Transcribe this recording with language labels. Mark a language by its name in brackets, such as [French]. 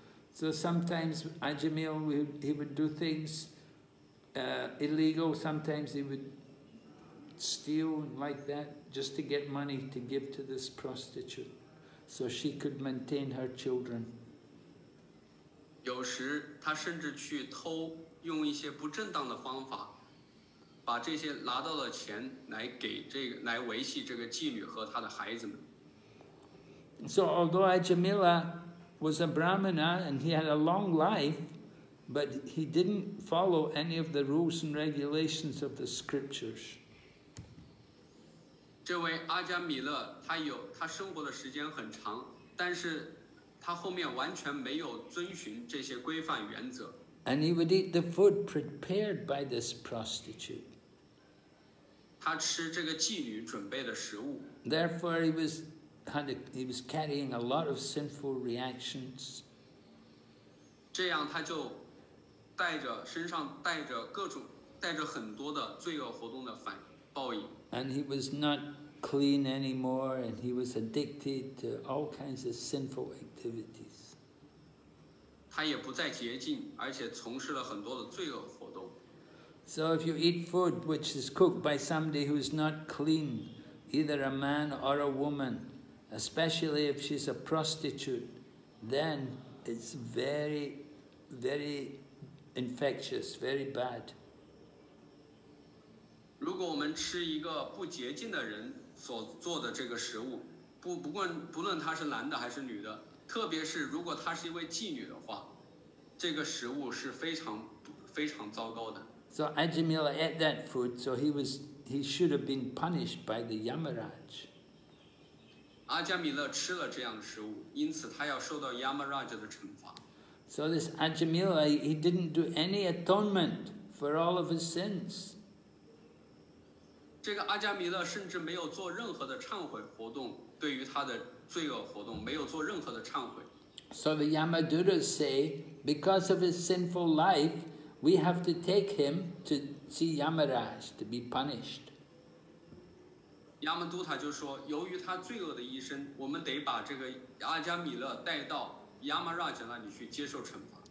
[English] So sometimes Ajamil, he would do things illegal, sometimes he would steal like that just to get money to give to this prostitute so she could maintain her children. [Chinese] 有时他甚至去偷，用一些不正当的方法把这些拿到的钱来维系这个妓女和他的孩子们。 [English] So although Ajamila was a Brahmana and he had a long life, but he didn't follow any of the rules and regulations of the scriptures. [Chinese] 这位阿加米勒，他生活的时间很长，但是他后面完全没有遵循这些规范原则。 [English] And he would eat the food prepared by this prostitute. [Chinese] 他吃这个妓女准备的食物。 [English] Therefore, he was carrying a lot of sinful reactions. [Chinese] 这样他就带着身上带着各种带着很多的罪恶活动的反报应。 [English] And he was not clean anymore, and he was addicted to all kinds of sinful activities. [Chinese] 他也不再洁净，而且从事了很多的罪恶活动。 [English] So if you eat food which is cooked by somebody who is not clean, either a man or a woman, especially if she's a prostitute, then it's very, very infectious, very bad. [Chinese] 如果我们吃一个不洁净的人所做的这个食物，不论他是男的还是女的，特别是如果他是一位妓女的话，这个食物是非常非常糟糕的。 [English] So Ajamila ate that food, so he should have been punished by the Yamaraj. [Chinese] 阿加米勒吃了这样的食物，因此他要受到 Yamaraj 的惩罚。 [English] So this Ajamila, he didn't do any atonement for all of his sins. [Chinese] 这个阿加米勒甚至没有做任何的忏悔活动，对于他的罪恶活动没有做任何的忏悔。 [English] So the Yamadutas say, because of his sinful life, we have to take him to see Yamaraj to be punished. [Chinese] Yamadutta 就说，由于他罪恶的一生，我们得把这个阿加米勒带到 Yamaraj 那里去接受惩罚。